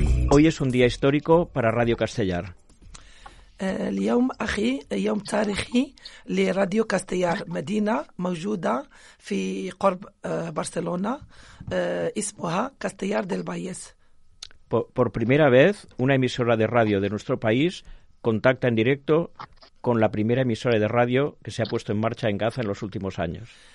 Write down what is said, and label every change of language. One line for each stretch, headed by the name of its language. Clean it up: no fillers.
Spanish: hoy es un día histórico para Radio Castellar.
Arabic: اليوم أخي يوم تاريخي لراديو كاستيار مدينة موجودة في قرب برشلونة اسمها كاستيار ديل بايس.
Spanish: Por primera vez una emisora de radio de nuestro país contacta en directo con la primera emisora de radio que se ha puesto en marcha en Gaza en los últimos años.